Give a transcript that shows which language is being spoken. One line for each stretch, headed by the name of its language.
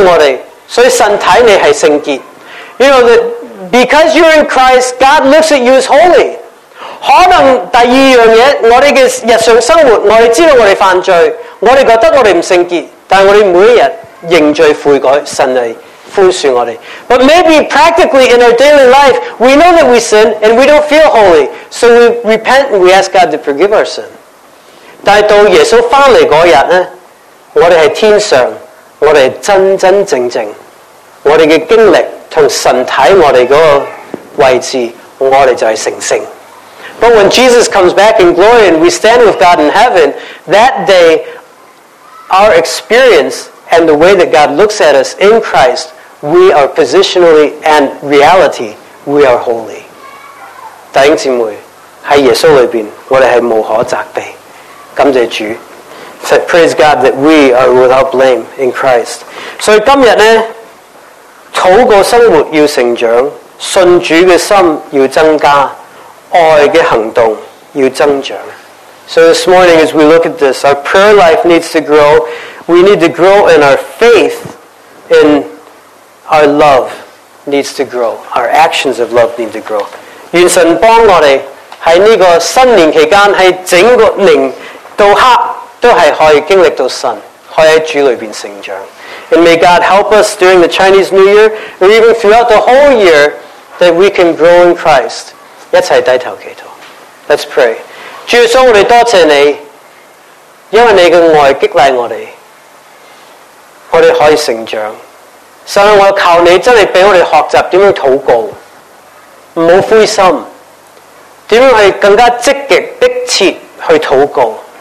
Chinese: 我们是主里边,耶稣宽恕我们,所以神看你是圣洁。
English: You know that because you're in Christ, God looks at you as holy.
Chinese: 可能第二样东西,我们的日常生活,我们知道我们犯罪,我们觉得我们不圣洁,但我们每一天认罪悔改,神来宽恕我们。
English: But maybe practically in our daily life, we know that we sin and we don't feel holy, so we repent and we ask God to forgive our sin.
Chinese: 但到耶稣回来那天,我们是天上,我们真真正正,我们的经历和神看我们的位置,我们就是圣圣。
English: But when Jesus comes back in glory and we stand with God in heaven, that day, our experience and the way that God looks at us in Christ, we are positionally and reality, we are holy.
Chinese: 弟兄姊妹, 在耶稣里面我们是无可责备，感谢主。
English: So praise God that we are without blame in Christ.
Chinese: 所以今天呢，祷告生活要成长，信主的心要增加，爱的行动要增长。
English: So this morning as we look at this, our prayer life needs to grow. We need to grow in our faith, and our love needs to grow. Our actions of love need to grow.
Chinese: 愿神帮我们在这个新年期间，在整个年到黑都是可以经历到神，可以在主里面成长。
English: And may God help us during the Chinese New Year, or even throughout the whole year, that we can grow in Christ.
Chinese: 一起低头祈祷。
English: Let's pray.
Chinese: 主耶稣，我们多谢你，因为你的爱激励我们，我们可以成长。神，我求你真的给我们学习怎样祷告，不要灰心，怎样去更加积极迫切去祷告。